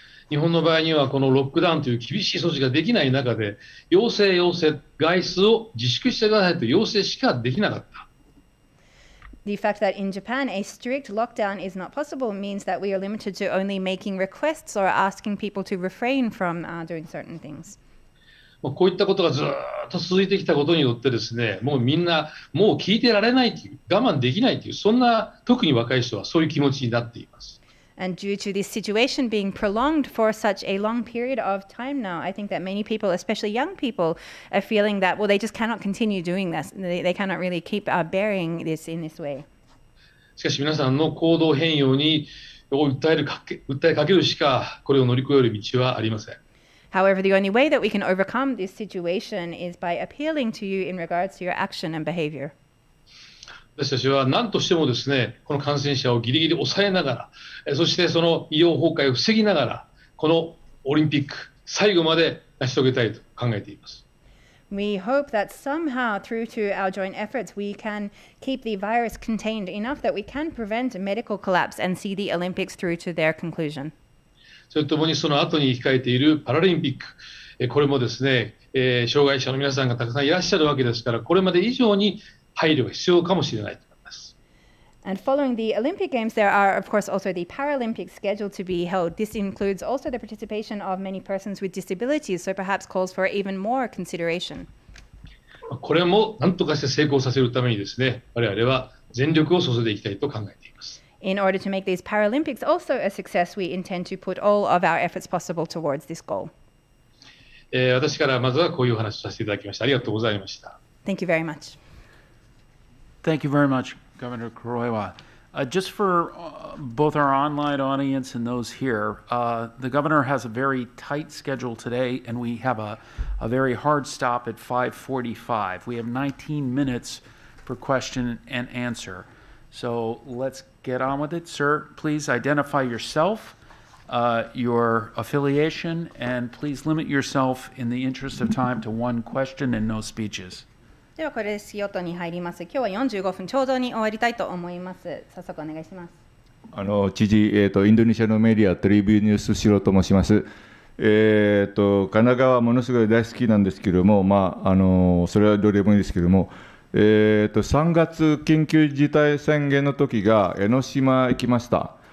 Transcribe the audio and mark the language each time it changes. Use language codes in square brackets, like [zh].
[ja] 日本の場合にはこのロックダウンという厳しい措置ができない中で要請要請外出を自粛してくださいと要請しかできなかった。 [en] The fact that in Japan a strict lockdown is not possible means that we are limited to only making requests or asking people to refrain from doing certain things. [ja] こういったことがずっと続いてきたことによってですね、もうみんなもう聞いてられないという我慢できないというそんな特に若い人はそういう気持ちになっています。 [en] And due to this situation being prolonged for such a long period of time now, I think that many people, especially young people, are feeling that, well, they just cannot continue doing this. They cannot really keep bearing this in this way. [ja] しかし皆さんの行動変容に訴えかけるしかこれを乗り越える道はありません。 [en] However, the only way that we can overcome this situation is by appealing to you in regards to your action and behavior. [ja] 私たちは何としてもですね、この感染者をギリギリ抑えながら、そしてその医療崩壊を防ぎながら、このオリンピック最後まで成し遂げたいと考えています。 [en] We hope that somehow through to our joint efforts, we can keep the virus contained enough that we can prevent medical collapse and see the Olympics through to their conclusion. [ja] それともにその後に控えているパラリンピック、これもですね、障害者の皆さんがたくさんいらっしゃるわけですから、これまで以上に配慮が必要かもしれないと思います。 [en] And following the Olympic Games, there are of course also the Paralympics scheduled to be held. This includes also the participation of many persons with disabilities, so perhaps calls for even more consideration. [ja] これも何とかして成功させるためにですね、我々は全力を注いでいきたいと考えています。 [en] In order to make these Paralympics also a success, we intend to put all of our efforts possible towards this goal. [ja] 私からまずはこういうお話をさせていただきました。ありがとうございました。 [en] Thank you very much. Thank you very much, Governor Kuroiwa. Just for both our online audience and those here, the governor has a very tight schedule today, and we have a very hard stop at 5:45. We have 19 minutes for question and answer. So let's get on with it. Sir, please identify yourself, your affiliation, and please limit yourself in the interest of time to one question and no speeches. [ja] ではこれで仕事に入ります。今日は45分ちょうどに終わりたいと思います。早速お願いします。知事、インドネシアのメディア、トリビューニュース、シロと申します。神奈川はものすごい大好きなんですけれども、まあそれはどうでもいいですけれども、3月緊急事態宣言の時が江ノ島行きました。